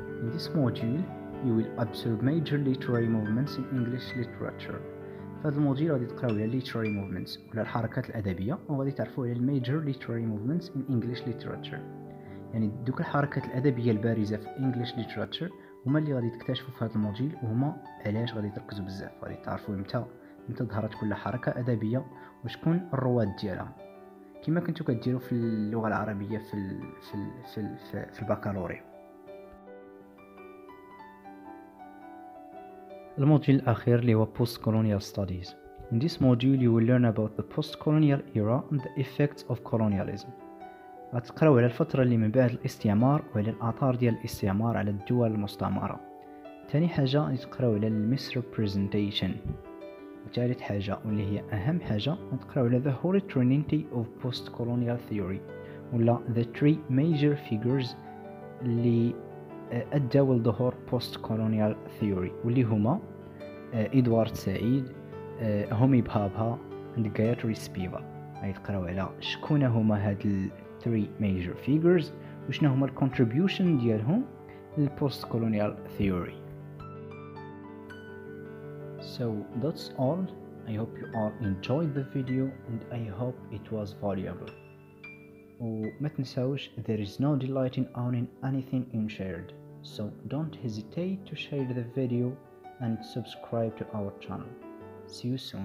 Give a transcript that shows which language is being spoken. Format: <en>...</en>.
<en>In this module you will observe major literary movements in English literature.</en> <ar>في هذا الموديل غادي تقراو على literary movements ولا الحركات الأدبية, وغادي تعرفوا على</ar> <en>major literary movements in English literature,</en> <ar>يعني دوك الحركات الأدبية البارزة في English literature هما اللي غادي تكتشفوا في هذا الموديل, وهما علاش غادي تركزوا بزاف, غادي تعرفوا امتى ظهرت كل حركة أدبية وشكون الرواد ديالها, كما كنتو كديروا في اللغه العربيه في الـ في الـ في الـ في البكالوريا. الموديل الاخير اللي هو post colonial studies.</ar> <en>In this module you will learn about the post colonial era and the effects of colonialism.</en> <ar>غتقراو على الفتره اللي من بعد الاستعمار وعلى الاثار ديال الاستعمار على الدول المستعمره. ثاني حاجه غتقراو على misrepresentation, وثالث حاجة واللي هي أهم حاجة نتقرأ على</ar> <en>The Holy Trinity of Postcolonial Theory,</en> <ar>ولا</ar> <en>The Three Major Figures</en> <ar>اللي أدوا لظهور Postcolonial Theory, واللي هما إدوارد سعيد, هومي بابها, and غياتري سبيفا. نتقرأ على شكون هما هاد الـ Three Major Figures وشنا هما الـ Contribution ديالهم للـ Postcolonial Theory.</ar> <en>So that's all. I hope you all enjoyed the video and I hope it was valuable.</en> <ar>وما تنساوش,</ar> <en>there is no delight in owning anything unshared. So don't hesitate to share the video and subscribe to our channel. See you soon.</en>